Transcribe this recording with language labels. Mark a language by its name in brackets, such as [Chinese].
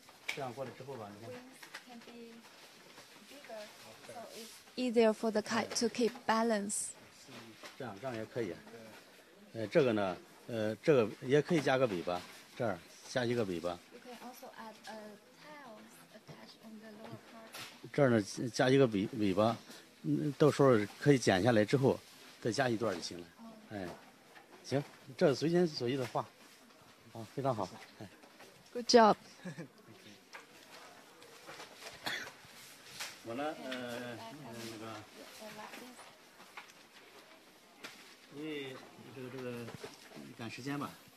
[English] can be bigger, so it's easier for the kite to keep balance. [Chinese] 这样也可以。这个呢，这个也可以加个尾巴，这儿加一个尾巴。 [English] You can also add a tail attached on the lower part. [Chinese] 这儿呢，加一个尾巴，到时候可以剪下来之后再加一段就行了。哎，行，这随心所欲的画，啊，非常好。哎 [English] ，Good job。 [Chinese] 我呢，那个，因为这个赶时间吧。